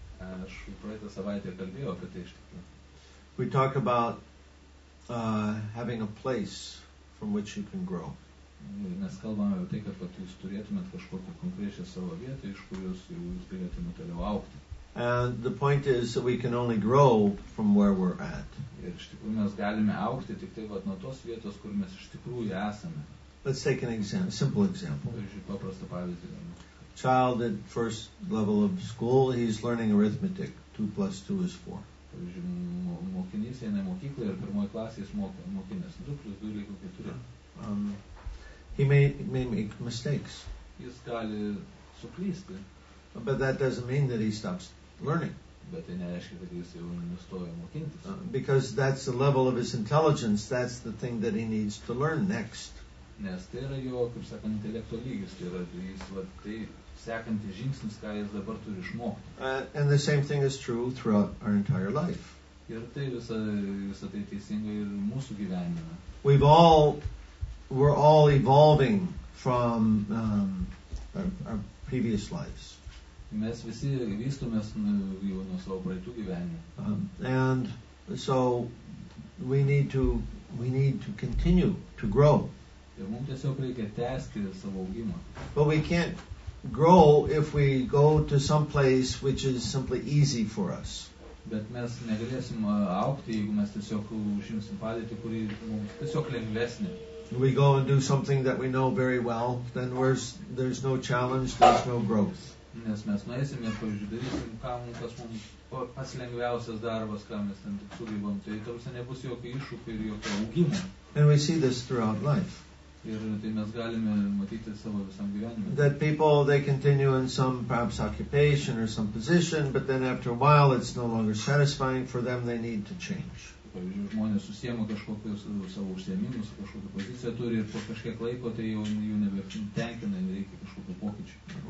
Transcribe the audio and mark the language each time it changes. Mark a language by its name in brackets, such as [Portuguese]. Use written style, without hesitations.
[Lithuanian] Aš praeitą savaitę kalbėjau apie tai. [English] We talk about having a place from which you can grow. [Lithuanian] Mes kalbame apie tai, kad jūs turėtumėt kažkokią konkrečią savo vietą, iš kurios jūs galėtumėt toliau augti. [English] And the point is that we can only grow from where we're at. [Lithuanian] Ir iš tikrųjų mes galime augti tik tai nuo tos vietos, kur mes iš tikrųjų esame. [English] Let's take an example, simple example. [Lithuanian] Pavyzdžiui, paprastą pavyzdį. [English] Child at first level of school, he's learning arithmetic. 2 + 2 = 4. [Lithuanian] Pavyzdžiui, mokinys eina į mokyklą ir pirmoji klasė jis mokinės. 2 + 2 = 4. [English] He may make mistakes. [Lithuanian] Jis gali suklysti. [English] But that doesn't mean that he stops learning. [Lithuanian] Bet tai nereiškia, kad jis jau nustoja mokintis. [English] Because that's the level of his intelligence. That's the thing that he needs to learn next. [Lithuanian] Nes tai yra jo, kaip sakant, intelekto lygis, tai yra jis, va, tai sekantis žingsnis, ką jis dabar turi išmokti. [English] And the same thing is true throughout our entire life. [Lithuanian] Ir tai visa tai teisinga ir mūsų gyvenime. [English] We're all evolving from our previous lives. [Lithuanian] Mes visi vystumės nuo savo praeitų gyvenimų. [English] And so we need to continue to grow. [Lithuanian] Ir mums tiesiog reikia tęsti savo augimą. [English] But we can't grow if we go to some place which is simply easy for us. [Lithuanian] Bet mes negalėsim augti, jeigu mes tiesiog užimsim padėtį, kuri mums tiesiog lengvesnė. [English] We go and do something that we know very well, then there's no challenge, there's no growth. [Lithuanian] Nes mes nuėsim, ir pavyzdžiui, darysim, kas mums pats lengviausias darbas, ką mes ten tik sugybam, tai tarsi nebus jokio iššūkio ir jokio augimo. [English] And we see this throughout life. [Lithuanian] Ir tai mes galime matyti savo visam gyvenime. [English] That people, they continue in some perhaps occupation or some position, but then after a while it's no longer satisfying for them, they need to change. [Lithuanian] Pavyzdžiui, žmonės susiema kažkokius savo užsiemimus, kažkokią poziciją turi ir po kažkiek laiko tai jau nebetenkina, reikia kažkokio pokyčio.